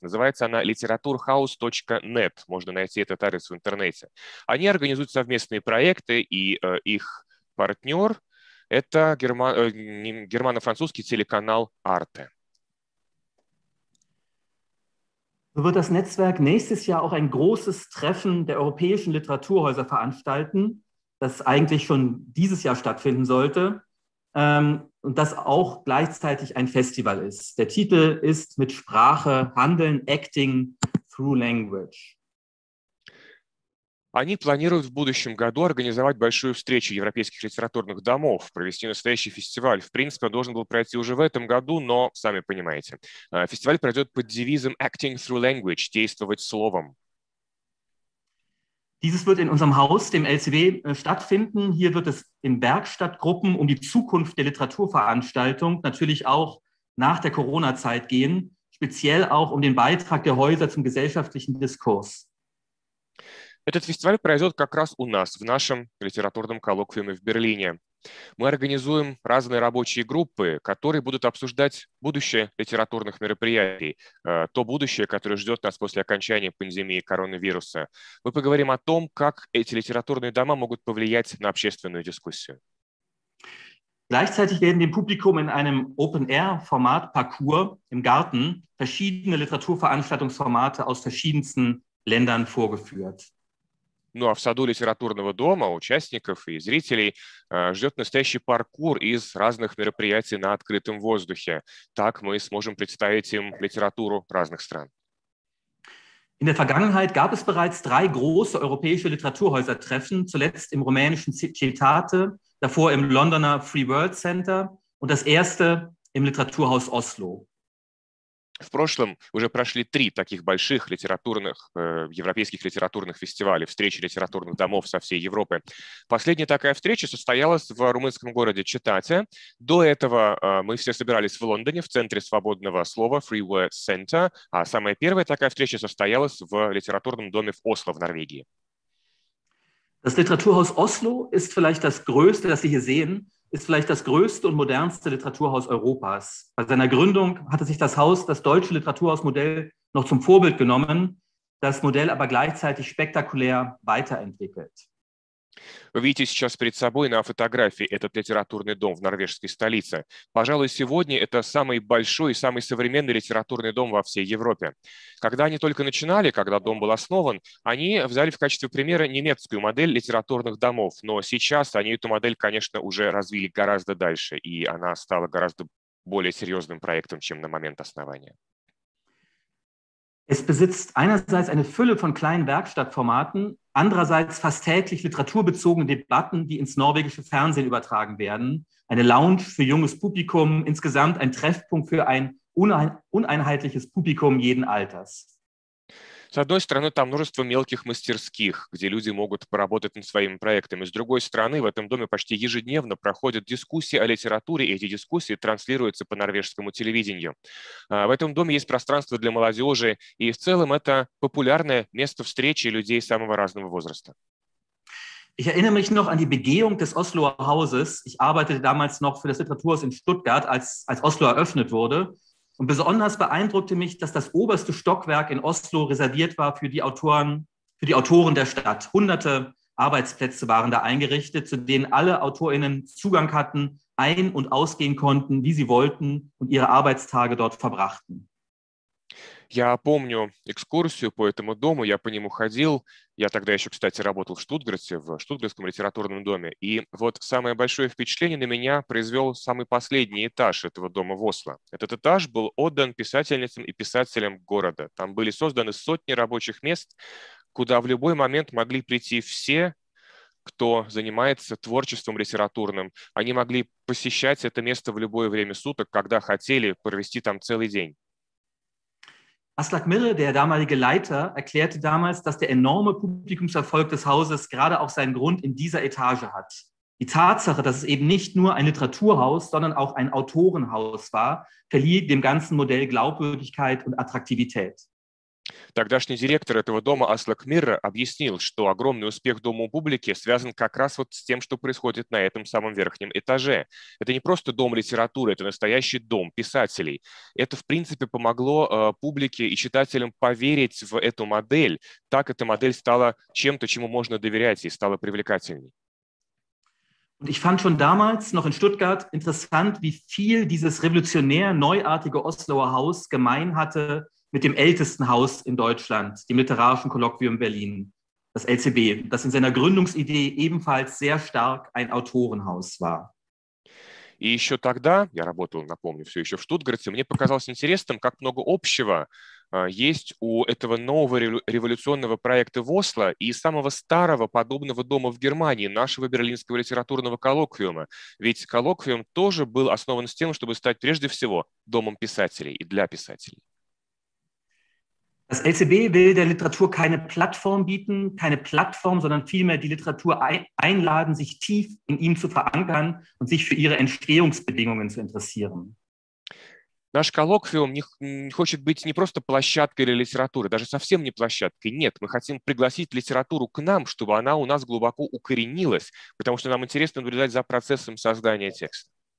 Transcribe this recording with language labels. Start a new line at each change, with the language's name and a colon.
Russian: Называется она literaturhaus.net. Можно найти этот адрес в интернете. Они организуют совместные проекты, и их партнер – это германо-французский телеканал «Арте».
German: So wird das Netzwerk nächstes Jahr auch ein großes Treffen der europäischen Literaturhäuser veranstalten, das eigentlich schon dieses Jahr stattfinden sollte, und das auch gleichzeitig ein Festival ist. Der Titel ist mit Sprache, Handeln,
English: Acting through Language.
Russian: Они планируют в будущем году организовать большую встречу европейских литературных домов, провести настоящий фестиваль. В принципе, он должен был пройти уже в этом году, но, сами понимаете, фестиваль пройдет под девизом
English: «Acting through language»
Russian: – «Действовать словом».
German: Dieses wird in unserem Haus, dem LCB, stattfinden. Hier wird es in Werkstattgruppen um die Zukunft der Literaturveranstaltung natürlich auch nach der Corona-Zeit gehen, speziell auch um den Beitrag der Häuser zum gesellschaftlichen Diskurs.
Russian: Этот фестиваль пройдет как раз у нас, в нашем литературном коллоквиуме в Берлине. Мы организуем разные рабочие группы, которые будут обсуждать будущее литературных мероприятий, то будущее, которое ждет нас после окончания пандемии коронавируса. Мы поговорим о том, как эти литературные дома могут повлиять на общественную дискуссию.
German: Gleichzeitig werden dem Publikum in einem Open-Air-Format Parcours im Garten verschiedene Literaturveranstaltungsformate aus verschiedensten Ländern vorgeführt.
Russian: Ну а в саду литературного дома участников и зрителей ждет настоящий паркур из разных мероприятий на открытом воздухе. Так мы сможем представить им литературу разных стран.
German: In der Vergangenheit gab es bereits drei große europäische Literaturhäusertreffen, zuletzt im rumänischen Cetate, davor im Londoner Free World Center und das erste im Literaturhaus Oslo.
Russian: В прошлом уже прошли три таких больших литературных, европейских литературных фестивалей, встречи литературных домов со всей Европы. Последняя такая встреча состоялась в румынском городе Читате. До этого мы все собирались в Лондоне, в центре свободного слова Free Word Center, а самая первая такая встреча состоялась в литературном доме в Осло, в Норвегии.
German: Das Literaturhaus Oslo ist vielleicht das größte, das Sie hier sehen. Ist vielleicht das größte und modernste Literaturhaus Europas. Bei seiner Gründung hatte sich das Haus das deutsche Literaturhausmodell noch zum Vorbild genommen, das Modell aber gleichzeitig spektakulär weiterentwickelt.
Russian: Вы видите сейчас перед собой на фотографии этот литературный дом в норвежской столице. Пожалуй, сегодня это самый большой и самый современный литературный дом во всей Европе. Когда они только начинали, когда дом был основан, они взяли в качестве примера немецкую модель литературных домов. Но сейчас они эту модель, конечно, уже развили гораздо дальше, и она стала гораздо более серьезным проектом, чем на момент основания.
German: Es besitzt einerseits eine Fülle von kleinen Werkstattformaten, andererseits fast täglich literaturbezogene Debatten, die ins norwegische Fernsehen übertragen werden, eine Lounge für junges Publikum, insgesamt ein Treffpunkt für ein uneinheitliches Publikum jeden Alters.
Russian: С одной стороны, там множество мелких мастерских, где люди могут поработать над своими проектами. С другой стороны, в этом доме почти ежедневно проходят дискуссии о литературе, и эти дискуссии транслируются по норвежскому телевидению. В этом доме есть пространство для молодежи, и в целом это популярное место встречи людей самого разного возраста.
German: Ich erinnere mich noch an die Begehung des Osloer Hauses. Ich arbeitete damals noch für das Literaturhaus in Stuttgart, als Oslo eröffnet wurde. Und besonders beeindruckte mich, dass das oberste Stockwerk in Oslo reserviert war für die Autoren der Stadt. Hunderte Arbeitsplätze waren da eingerichtet, zu denen alle AutorInnen Zugang hatten, ein- und ausgehen konnten, wie sie wollten und ihre Arbeitstage dort verbrachten.
Russian: Я помню экскурсию по этому дому, я по нему ходил. Я тогда еще, кстати, работал в Штутгарте, в Штутгартском литературном доме. И вот самое большое впечатление на меня произвел самый последний этаж этого дома в Осло. Этот этаж был отдан писательницам и писателям города. Там были созданы сотни рабочих мест, куда в любой момент могли прийти все, кто занимается творчеством литературным. Они могли посещать это место в любое время суток, когда хотели провести там целый день.
German: Aslak Mirre, der damalige Leiter, erklärte damals, dass der enorme Publikumserfolg des Hauses gerade auch seinen Grund in dieser Etage hat. Die Tatsache, dass es eben nicht nur ein Literaturhaus, sondern auch ein Autorenhaus war, verlieh dem ganzen Modell Glaubwürdigkeit und Attraktivität.
Russian: Тогдашний директор этого дома Аслак Мирре объяснил, что огромный успех дома у публики связан как раз вот с тем, что происходит на этом самом верхнем этаже. Это не просто дом литературы, это настоящий дом писателей. Это, в принципе, помогло публике и читателям поверить в эту модель. Так эта модель стала чем-то, чему можно доверять, и стала привлекательней.
German: Und ich fand schon damals, noch in Stuttgart, interessant, wie viel dieses revolutionär neuartige Osloer Haus gemein hatte mit dem ältesten Haus in Deutschland, dem Literarischen Kolloquium Berlin, das LCB, das in seiner Gründungsidee ebenfalls sehr stark ein Autorenhaus war.
Russian: И еще тогда, я работал, напомню, все еще в Штутгарте, мне показалось интересным, как много общего есть у этого нового революционного проекта в Осло и самого старого подобного дома в Германии, нашего берлинского литературного коллоквиума. Ведь коллоквиум тоже был основан с тем, чтобы стать прежде всего домом писателей и для писателей.
German: Das LCB will der Literatur keine Plattform bieten, keine Plattform, sondern vielmehr die Literatur einladen, sich tief in ihm zu verankern und sich für ihre Entstehungsbedingungen zu interessieren.
Russian: Наш коллоквиум не хочет быть не просто площадкой для литературы, даже совсем не площадкой. Нет, мы хотим пригласить литературу к нам, чтобы она у нас глубоко укоренилась, потому что нам интересно наблюдать за процессом создания текста.